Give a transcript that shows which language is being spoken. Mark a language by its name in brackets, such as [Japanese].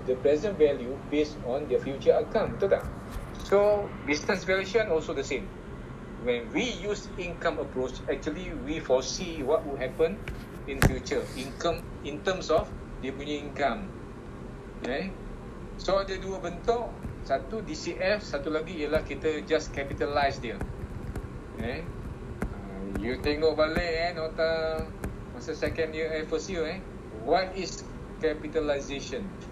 [English] The present value based on the future outcome, [Malay] betul tak? [English] So business valuation also the same. When we use income approach, actually we foresee what will happen in future, income, in terms of [Malay] dia punya [English] income. [Malay] Okay, so ada dua bentuk, satu DCF, satu lagi ialah kita just capitalize dia. [English] Okay, you [Malay] tengok balik nota masa [English] second year, first year, what is capitalization?